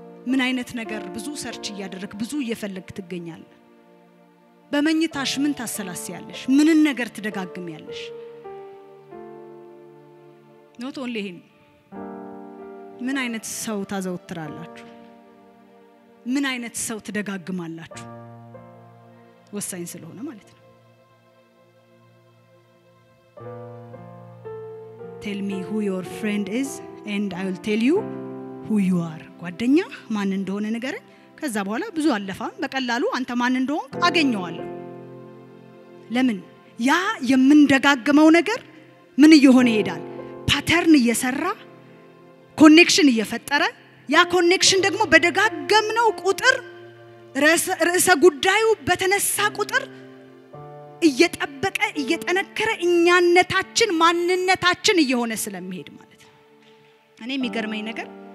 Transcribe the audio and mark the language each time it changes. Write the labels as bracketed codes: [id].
[am] ምን አይነት ነገር ብዙ ሰርች ያደረክ ብዙ እየፈለግክ ትገኛለህ? በመኝታሽ ምን ታሰላስያለሽ? ምን ነገር ትደጋግሚያለሽ? [en] not only him [am] ምን አይነት ሰው ታዘውትራላችሁ? ምን አይነት ሰው ትደጋግማላችሁ? ወሳኝ ስለሆነ ማለት ነው። [en] tell me who your friend is and I will tell you who you are. [am] ጓደኛ ማን እንደሆነ ነገር ከዛ በኋላ ብዙ አለፋም በቀላሉ አንተ ማን እንደሆን አገኘዋል። ለምን ያ የምንደጋግመው ነገር ምን ይሆን ይሄዳል? ፓተርን እየሰራ ኮኔክሽን እየፈጠረ ያ ኮኔክሽን ደግሞ በደጋገምነው ቁጥር ራስ ጉዳዩ በተነሳ ቁጥር እየጠበቀ እየጠነከረ እኛነታችን ማንነታችን እየሆነ ስለሚሄድ ማለት ነው። እኔ የሚገርመኝ ነገር